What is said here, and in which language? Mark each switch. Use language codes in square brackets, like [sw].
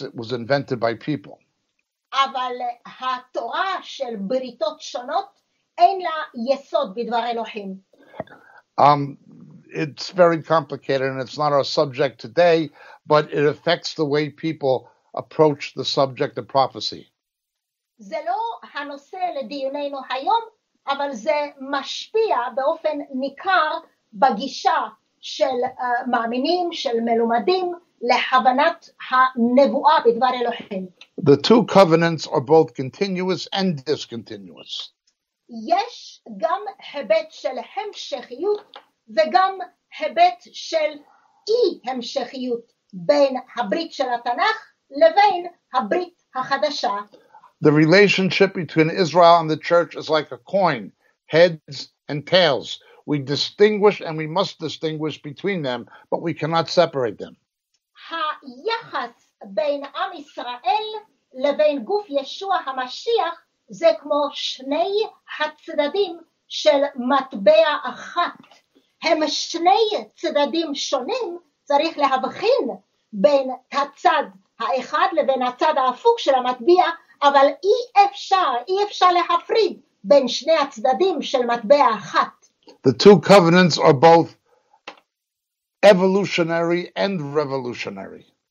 [en] It was invented by people. [he] אבל התורה של בריתות שונות אין לה יסוד בדבר אלוהים. [en] It's very complicated and it's not our subject today, but it affects the way people approach the subject of prophecy. [he] זה לא הנושא לדיוננו היום, אבל זה משפיע באופן ניכר בגישה של מאמינים, של מלומדים, להבנת הנבואה בדבר אלוהים. [en] The two covenants are both continuous and discontinuous. [he] יש גם היבט של המשכיות וגם היבט של אי-המשכיות בין הברית של התנ"ך לבין הברית החדשה. [en] The relationship between Israel and the church is like a coin, heads and tails. We distinguish and we must distinguish between them, but we cannot separate them. [he] היחס בין עם ישראל לבין גוף ישוע המשיח זה כמו שני הצדדים של מטבע אחת. הם שני צדדים שונים, צריך להבחין בין הצד האחד לבין הצד ההפוך של המטבע, אבל אי אפשר להפריד בין שני הצדדים של מטבע אחת. [en] The two covenants are both evolutionary and revolutionary.